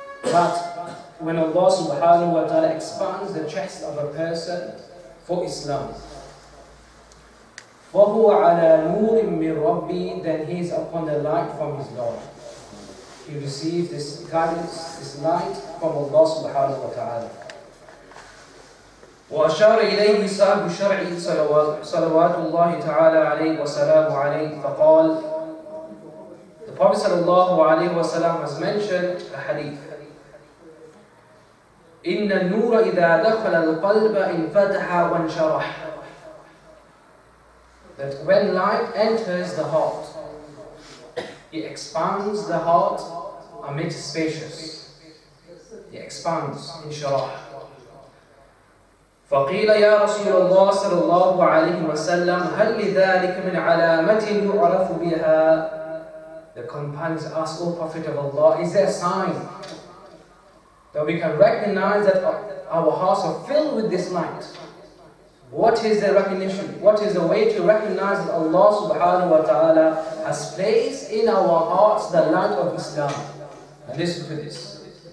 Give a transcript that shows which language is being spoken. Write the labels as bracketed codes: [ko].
[en] That when Allah subhanahu wa ta'ala expands the chest of a person for Islam, [ar] فَهُوَ عَلَى نُورٍ مِّنْ رَبِّهِ, [en] then he is upon the light from his Lord. He receives this guidance, this light from Allah subhanahu wa ta'ala. [ar] وأشار إليه صاحب الشرع صلوات الله تعالى عليه وسلامه عليه فقال. [en] The Prophet [ar] صلى الله عليه وسلم [en] has mentioned a hadith. [ar] إن النور إذا دخل القلب انفتح وانشرح. [en] That when light enters the heart, it expands the heart and makes it spacious. It expands in شرح. [ar] فقيل يا رسول الله صلى الله عليه وسلم هل لذلك من علامات يعرف بها. [en] The companions asked, O Prophet of Allah, is there a sign that we can recognize that our hearts are filled with this light? What is the recognition? What is the way to recognize that Allah subhanahu wa ta'ala has placed in our hearts the light of Islam? And listen to this.